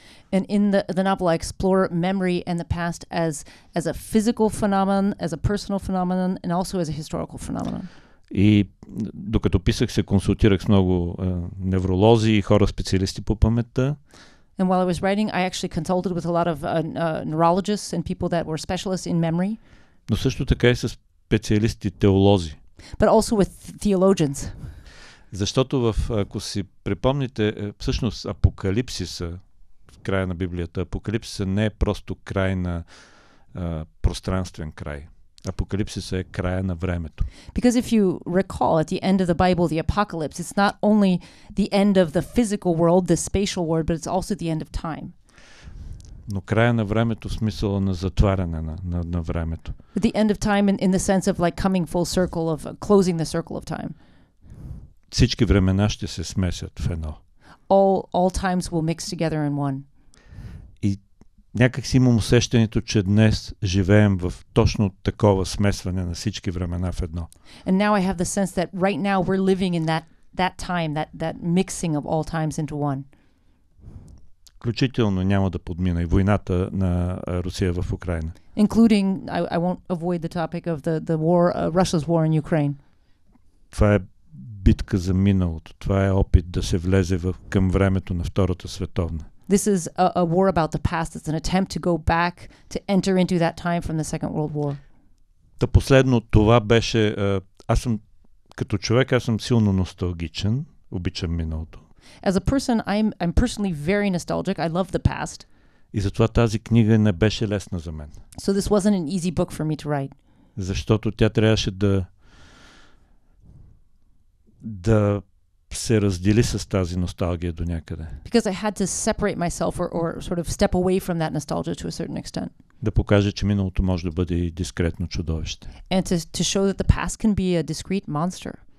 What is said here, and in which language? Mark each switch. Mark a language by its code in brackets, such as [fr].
[en] And in the novel, I explore memory and the past as a physical phenomenon, as a personal phenomenon, and also as a historical phenomenon. [bg] И докато писах, се консултирах с много невролози и хора специалисти по паметта. [en] And while I was writing, I actually consulted with a lot of neurologists and people that were specialists in memory. [bg] Но също така и с специалисти теолози. [en] But also with theologians. [bg] Защото ако си припомните, всъщност апокалипсиса, края на Библията, апокалипсиса не е просто край на пространствен край. Апокалипсиса е края на времето. [en] Because if you recall, at the end of the Bible, the apocalypse, it's not only the end of the physical world, the spatial world, but it's also the end of time. [bg] Но края на времето в смисъла на затваряне на времето. [en] But the end of time in the sense of like coming full circle, of closing the circle of time. [bg] Всички времена ще се смесят в едно. [en] All times will mix together in one. [bg] Някак си имам усещането, че днес живеем в точно такова смесване на всички времена в едно. [en] And now I have the sense that right now we're living in that time, that mixing of all times into one. [bg] Включително няма да подмина и войната на Русия в Украина. [en] Including, I won't avoid the topic of the war, Russia's war in Ukraine. [bg] Това е битка за миналото. Това е опит да се влезе към времето на Втората световна. [en] This is a war about the past. It's an attempt to go back, to enter into that time from the Second World War. [bg] Та последно това беше, аз съм като човек, аз съм силно носталгичен, обичам миналото. [en] As a person, I'm personally very nostalgic. I love the past. [bg] И затова тази книга не беше лесна за мен. [en] So this wasn't an easy book for me to write. [bg] Защото тя трябваше да се раздели с тази носталгия до някъде. [en] Because I had to separate myself or sort of step away from that nostalgia to a certain extent. [bg] Да покажа, че миналото може да бъде дискретно чудовище. [en] And to show that the past can be a discreet monster.